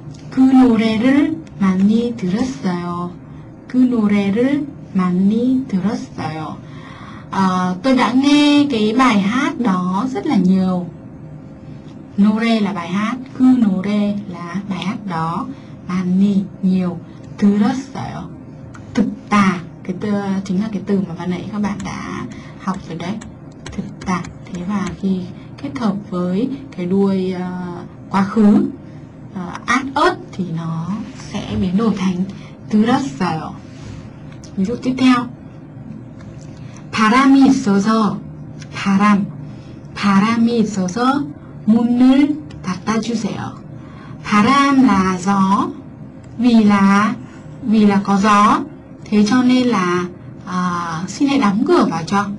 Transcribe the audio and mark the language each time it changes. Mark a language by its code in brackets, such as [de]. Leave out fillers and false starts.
[ko] 그 노래를 많이 들었어요. 그 노래를 많이 들었어요. [vi] Tôi đã nghe cái bài hát đó rất là nhiều. [ko] 노래 [vi] là bài hát, [ko] 그 노래 [vi] là bài hát đó. [ko] 많이 [vi] nhiều. [ko] 들었어요. 듣다. [vi] Cái từ chính là cái từ mà ban nãy các bạn đã học rồi đấy. [ko] 듣다. [vi] Thế và khi kết hợp với cái đuôi quá khứ át ớt thì nó sẽ biến đổi thành [ko] 들었어요. [vi] Ví dụ tiếp theo. [ko] 바람이 있어서 바람이 있어서 문을 닫아 주세요. 바람 [vi] là gió. Vì là có gió. Thế cho nên là xin hãy đóng cửa vào cho.